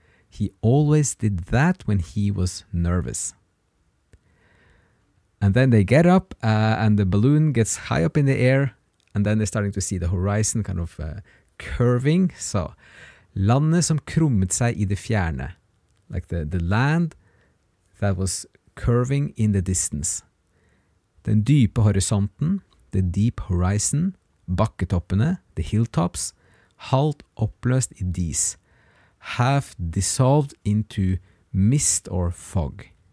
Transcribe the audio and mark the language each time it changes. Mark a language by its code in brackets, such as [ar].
[en] He always did that when he was nervous. And then they get up and the balloon gets high up in the air and then they're starting to see the horizon kind of curving. [no] So, landet som krummet seg I det fjerne. [en] Like the land that was curving in the distance. [no] Den dype horisonten, [en] the deep horizon, [no] bakketoppene, [en] the hilltops, [no] halvt oppløst I dis, [en] half dissolved into mist or fog.